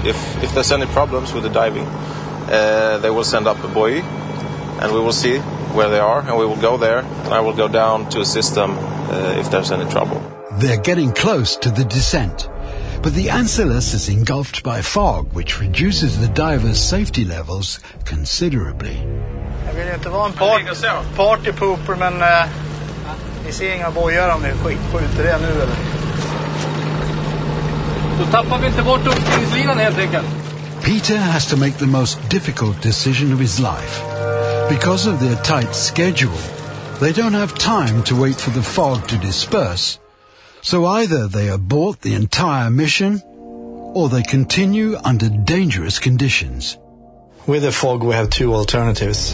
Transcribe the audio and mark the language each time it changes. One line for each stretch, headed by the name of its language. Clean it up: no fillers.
English: If there's any problems with the diving, they will send up a buoy, and we will see where they are, and we will go there, and I will go down to assist them if there's any trouble. They're getting close to the descent, but the Ancilus is engulfed by fog, which reduces the divers' safety levels considerably.
Swedish: Jag vill inte vara en party pooper, men vi ser inga bojar om det är skitskjut. Är det nu eller? Då tappar vi inte bort uppstyrningslinan helt enkelt.
English: Peter has to make the most difficult decision of his life. Because of their tight schedule, they don't have time to wait for the fog to disperse. So either they abort the entire mission, or they continue under dangerous conditions. With the fog, we have two alternatives.